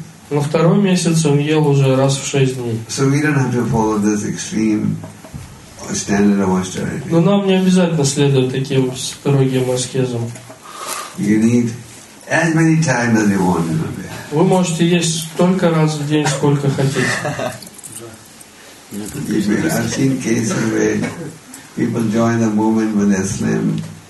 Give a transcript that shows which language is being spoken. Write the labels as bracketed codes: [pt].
[ru] Но второй месяц он ел уже раз в шесть дней. [en] So we don't have to follow this extreme standard of austerity. [ru] Но нам не обязательно следовать таким строгим аскезам. [en] You need as many times as you want in a day. [ru] Вы можете есть столько раз в день, сколько хотите. [en] I've seen cases where people join the movement when they're slim.